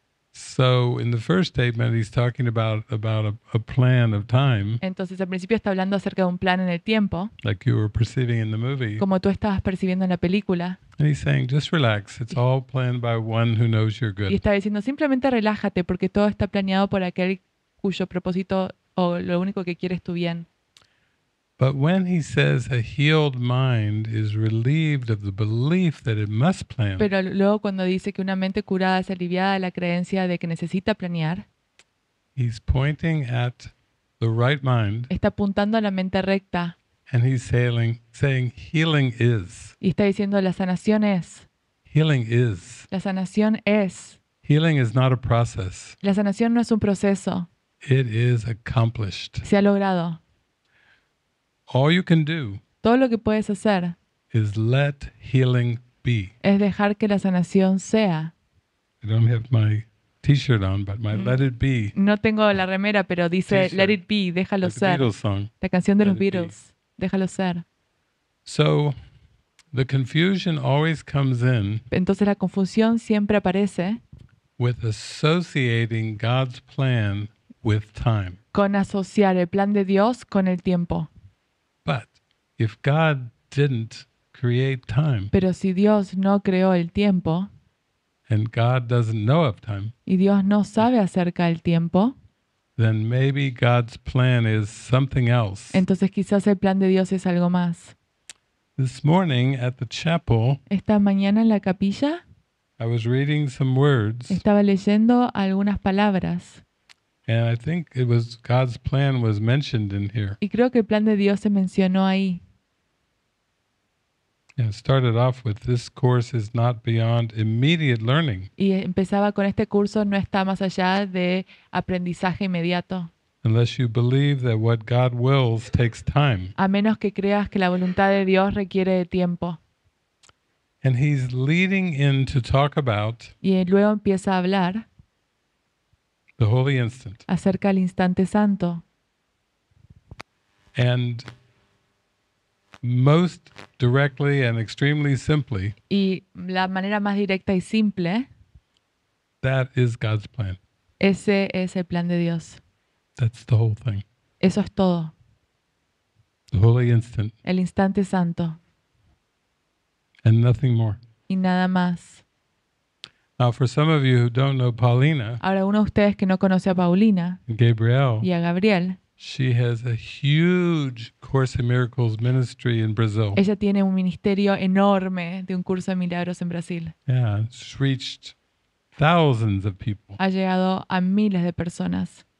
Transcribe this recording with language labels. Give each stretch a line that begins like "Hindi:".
English: So in the first statement he's talking about a plan of time.
Spanish: Entonces al principio está hablando acerca de un plan en el tiempo.
English: Like you were perceiving in the movie.
Spanish: Como tú estabas percibiendo en la película.
English: And he's saying just relax, it's all planned by one who knows you're good.
Spanish: Y está diciendo simplemente relájate porque todo está planeado por aquel cuyo propósito o lo único que quiere es tu bien.
English: But when he says a healed mind is relieved of the belief that it must plan.
Spanish: Pero luego cuando dice que una mente curada es aliviada de la creencia de que necesita planear.
English: He's pointing at the right mind.
Spanish: Está apuntando a la mente recta.
English: And he's saying healing is.
Spanish: Y está diciendo la sanación es.
English: Healing is.
Spanish: La sanación es.
English: Healing is not a process.
Spanish: La sanación no es un proceso.
English: It is accomplished.
Spanish: Se ha logrado.
English: All you can do.
Spanish: Todo lo que puedes hacer.
English: Is let healing be.
Spanish: Es dejar que la sanación sea.
English: I don't have my t-shirt on, but my let it be.
Spanish: No tengo la remera, pero dice t-shirt.
English: Let it be,
Spanish: déjalo
English: like
Spanish: ser.
English: The Beatles song,
Spanish: la canción de los Beatles, déjalo ser.
English: So the confusion always comes in.
Spanish: Entonces la confusión siempre aparece.
English: With associating God's plan with time.
Spanish: Con asociar el plan de Dios con el tiempo.
English: But if God didn't create time.
Spanish: Pero si Dios no creó el tiempo.
English: And God doesn't know of time.
Spanish: Y Dios no sabe acerca del tiempo.
English: Then maybe God's plan is something else.
Spanish: Entonces quizás el plan de Dios es algo más.
English: This morning at the chapel.
Spanish: Esta mañana en la capilla.
English: I was reading some words.
Spanish: Estaba leyendo algunas palabras.
English: And I think it was God's plan was mentioned in here.
Spanish: Y creo que el plan de Dios se mencionó ahí.
English: And it started off with this course is not beyond immediate learning.
Spanish: Y empezaba con este curso no está más allá de aprendizaje inmediato.
English: Unless you believe that what God wills takes time.
Spanish: A menos que creas que la voluntad de Dios requiere de tiempo.
English: And he's leading in to talk about.
Spanish: Y luego empieza a hablar.
English: The holy instant.
Spanish: Acerca del instante santo.
English: And most directly and extremely simply.
Spanish: Y la manera más directa y simple.
English: That is God's plan.
Spanish: Ese es el plan de Dios.
English: That's the whole thing.
Spanish: Eso es todo.
English: The holy instant.
Spanish: El instante santo.
English: And nothing more.
Spanish: Y nada más.
English: Now, for some of you who don't know Paulina,
Spanish: ahora uno de ustedes que no conoce a Paulina,
English: Gabriel,
Spanish: y a Gabriel,
English: she has a huge Course in Miracles ministry in Brazil.
Spanish: Ella tiene un ministerio enorme de un curso de milagros en Brasil.
English: Yeah, she's reached thousands of people.
Spanish: Ha llegado a miles de personas.